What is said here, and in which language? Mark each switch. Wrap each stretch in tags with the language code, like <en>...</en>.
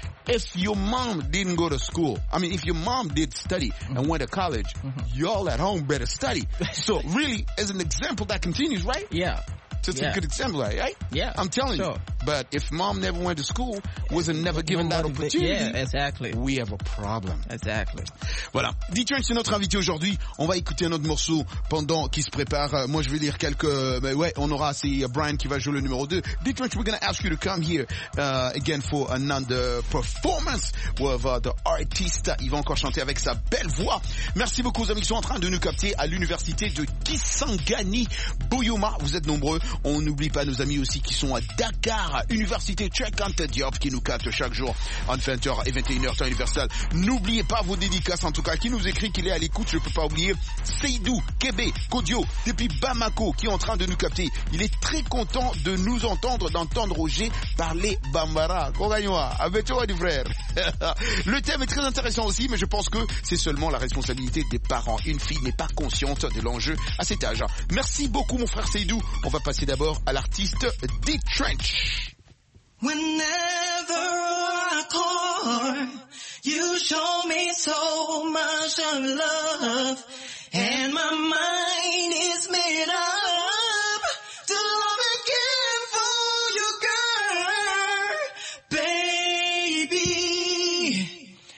<en>If your mom didn't go to school, I mean, if your mom did study and went to college, y'all at home better study. So, really, as an example, that continues, right? Yeah. So it's a good example, right? Yeah. I'm telling you. But if mom never went to school, wasn't given that opportunity. Yeah, exactly. We have a problem. Exactly.</en> <fr>Voilà. D-Trent, c'est notre invité aujourd'hui. On va écouter un autre morceau pendant qu'il se prépare. Moi, je vais lire quelques, mais ouais, on aura, c'est Brian qui va jouer le numéro 2.</fr> <en>D-Trent, we're gonna ask you to come here, again for another performance with the artist.</en> <fr>Il va encore chanter avec sa belle voix. Merci beaucoup aux amis qui sont en train de nous capter à l'université de Kisangani, Boyoma. Vous êtes nombreux. On n'oublie pas nos amis aussi qui sont à Dakar, Université Tchekante Diop, qui nous capte chaque jour entre 20h et 21h temps universel. N'oubliez pas vos dédicaces, en tout cas, qui nous écrit qu'il est à l'écoute, je ne peux pas oublier. Seydou, Kébé, Kodio, depuis Bamako, qui est en train de nous capter. Il est très content de nous entendre, d'entendre Roger parler Bambara. Kogaywa, avec toi, du frère. Le thème est très intéressant aussi, mais je pense que c'est seulement la responsabilité des parents. Une fille n'est pas consciente de l'enjeu à cet âge. Merci beaucoup, mon frère Seydou. On va passer d'abord à l'artiste D-Trent.</fr> <en>Whenever I call, you show me so much of love, and my mind is made up to love again for you, girl, baby.</en>